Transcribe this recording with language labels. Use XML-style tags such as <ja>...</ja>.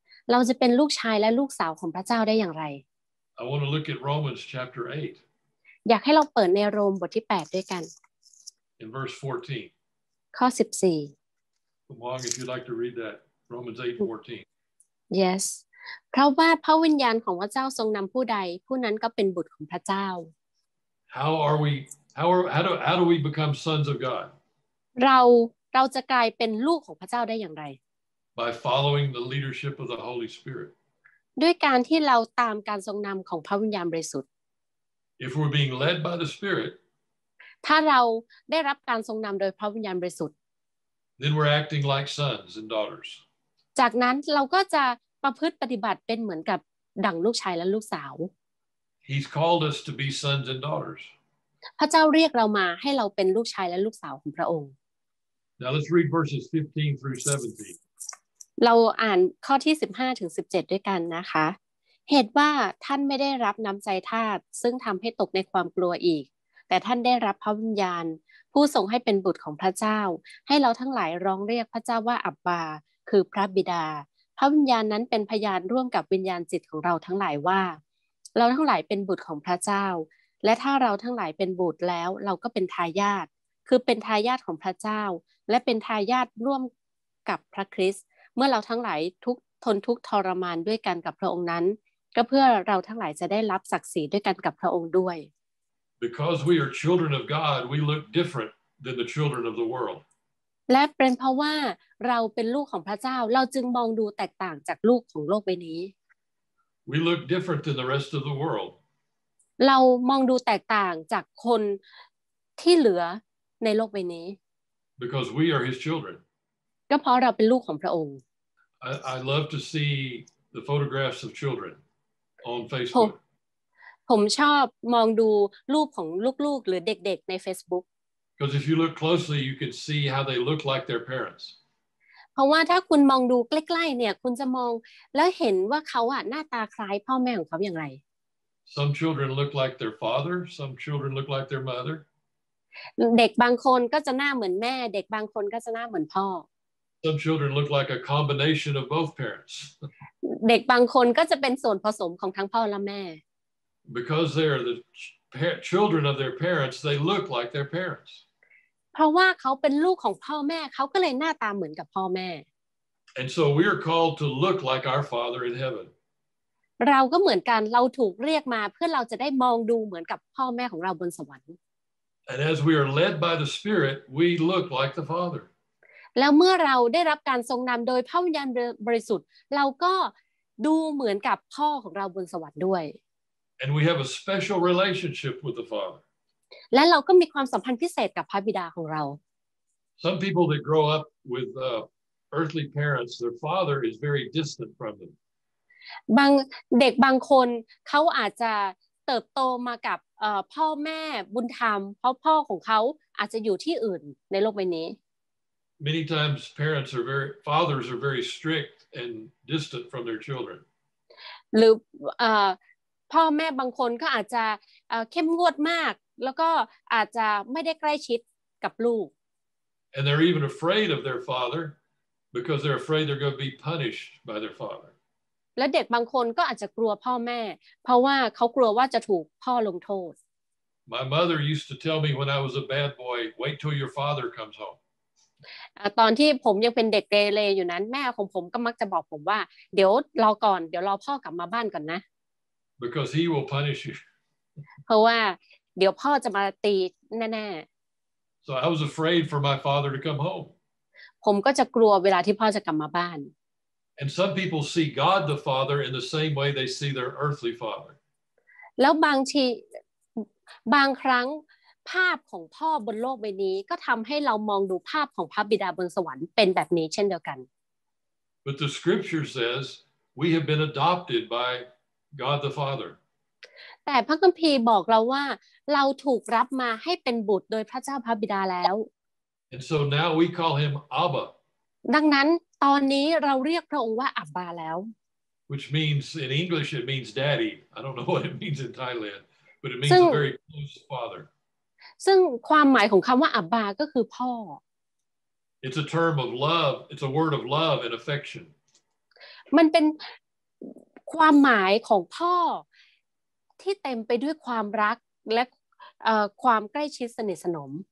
<th>เราจะเป็นลูกชายและลูกสาวของพระเจ้าได้อย่างไร</th> <en>I want to look at Romans chapter 8</en> <th>อยากให้เราเปิดในโรมบทที่8ด้วยกัน</th> <en>In verse 14</en> <th>ข้อ14</th> <en>Come on if you'd like to read that Romans 8:14 Yes</en> <th>เพราะว่าพระวิญญาณของพระเจ้าทรงนำผู้ใดผู้นั้นก็เป็นบุตรของพระเจ้า</th> <en>How do we become sons of God?</en> <th>เราจะกลายเป็นลูกของพระเจ้าได้อย่างไร</th> <en>By following the leadership of the Holy Spirit.</en> <th>ด้วยการที่เราตามการทรงนำของพระวิญญาณบริสุทธิ์</th> <en>If we're being led by the Spirit.</en> <th>ถ้าเราได้รับการทรงนำโดยพระวิญญาณบริสุทธิ์</th> <en>Then we're acting like sons and daughters.</en> <th>จากนั้นเราก็จะประพฤติปฏิบัติเป็นเหมือนกับดั่งลูกชายและลูกสาว</th> <en>He's called us to be sons and daughters.</en> <th>พระเจ้าเรียกเรามาให้เราเป็นลูกชายและลูกสาวของพระองค์</th> <en>Now let's read verses 15 through 17.</en> <th>เราอ่านข้อที่15ถึง17ด้วยกันนะคะเหตุว่าท่านไม่ได้รับน้ำใจทาสซึ่งทำให้ตกในความกลัวอีกแต่ท่านได้รับพระวิญญาณผู้ทรงให้เป็นบุตรของพระเจ้าให้เราทั้งหลายร้องเรียกพระเจ้าว่าอับบาคือพระบิดาพระวิญญาณนั้นเป็นพยานร่วมกับวิญญาณจิตของเราทั้งหลายว่า เราทั้งหลายเป็นบุตรของพระเจ้าและถ้าเราทั้งหลายเป็นบุตรแล้วเราก็เป็นทายาทคือเป็นทายาทของพระเจ้าและเป็นทายาทร่วมกับพระคริสต์เมื่อเราทั้งหลายทุกทนทุกทรมานด้วยกันกับพระองค์นั้นก็เพื่อเราทั้งหลายจะได้รับศักดิ์ศรีด้วยกันกับพระองค์ด้วย</th> <en>Because we are children of God we look different than the children of the world</en> <th>และเป็นเพราะว่าเราเป็นลูกของพระเจ้าเราจึงมองดูแตกต่างจากลูกของโลกใบนี้</th> <en>We look different than the rest of the world</en> <th>เรามองดูแตกต่างจากคนที่เหลือในโลกใบนี้</th> <en>Because we are his children</en> <th>ก็เพราะเราเป็นลูกของพระองค์</th> <en>I love to see the photographs of children on Facebook</en> <th>ผมชอบมองดูรูปของลูกๆหรือเด็กๆใน Facebook</th> <en>Because if you look closely, you can see how they look like their parents.</en> <th>เพราะว่าถ้าคุณมองดูใกล้ๆเนี่ยคุณจะมองแล้วเห็นว่าเขาอะหน้าตาคล้ายพ่อแม่ของเขาอย่างไร</th> <en>Some children look like their father. Some children look like their mother.</en> <th>เด็กบางคนก็จะหน้าเหมือนแม่เด็กบางคนก็จะหน้าเหมือนพ่อ</th> <en>Some children look like a combination of both parents.</en> <th>เด็กบางคนก็จะเป็นส่วนผสมของทั้งพ่อและแม่</th> <en>Because they are the children of their parents, they look like their parents.</en> <th>เพราะว่าเขาเป็นลูกของพ่อแม่เขาก็เลยหน้าตาเหมือนกับพ่อแม่</th> <en>And so we are called to look like our Father in heaven</en> <th>เราก็เหมือนกันเราถูกเรียกมาเพื่อเราจะได้มองดูเหมือนกับพ่อแม่ของเราบนสวรรค์</th> <en>And as we are led by the Spirit we look like the Father</en> <th>แล้วเมื่อเราได้รับการทรงนำโดยพระวิญญาณบริสุทธิ์เราก็ดูเหมือนกับพ่อของเราบนสวรรค์ด้วย</th> <en>And we have a special relationship with the Father.</en> <th>และเราก็มีความสัมพันธ์พิเศษกับพระบิดาของเรา</th> <en>Some people that grow up with earthly parents their father is very distant from them</en> <th>บางเด็กบางคนเขาอาจจะเติบโตมากับพ่อแม่บุญธรรมเพราะพ่อของเขาอาจจะอยู่ที่อื่นในโลกใบนี้</th> <en>Many times parents are very fathers are very strict and distant from their children</en> <th>หรือพ่อแม่บางคนก็อาจจะเข้มงวดมากแล้วก็อาจจะไม่ได้ใกล้ชิดกับลูก</th> <en>And they're even afraid of their father because they're afraid they're going to be punished by their father.</en> <th>และเด็กบางคนก็อาจจะกลัวพ่อแม่เพราะว่าเขากลัวว่าจะถูกพ่อลงโทษ</th> <en>My mother used to tell me when I was a bad boy, wait till your father comes home.</en> <th>ตอนที่ผมยังเป็นเด็กเกเรอยู่นั้นแม่ของผมก็มักจะบอกผมว่าเดี๋ยวรอก่อนเดี๋ยวรอพ่อกลับมาบ้านก่อนนะ</th> <en>Because he will punish you.</en> <th>เพราะว่าเดี๋ยวพ่อจะมาตีแน่</th> <en>ๆ So I was afraid for my father to come home.</en> <th>ผมก็จะกลัวเวลาที่พ่อจะกลับมาบ้าน</th> <en>And some people see God the Father in the same way they see their earthly father.</en> <th>แล้วบางครั้งภาพของพ่อบนโลกใบนี้ก็ทำให้เรามองดูภาพของพระบิดาบนสวรรค์เป็นแบบนี้เช่นเดียวกัน</th> <en>But the scripture says we have been adopted by God the Father.</en> <th>แต่พระคัมภีร์บอกเราว่าเราถูกรับมาให้เป็นบุตรโดยพระเจ้าพระบิดาแล้ว</th> <en>And so now we call him Abba</en> <th>ดังนั้นตอนนี้เราเรียกพระองค์ว่าอับบาแล้ว</th> <en>Which means in English it means daddy I don't know what it means in Thailand but it means a very close father</en> <th>ซึ่งความหมายของคำว่าอับบาก็คือพ่อ</th> <en>It's a term of love it's a word of love and affection</en> <th>มันเป็นความหมายของพ่อที่เต็มไปด้วยความรักและความใกล้ชิดสนิทสนม</th>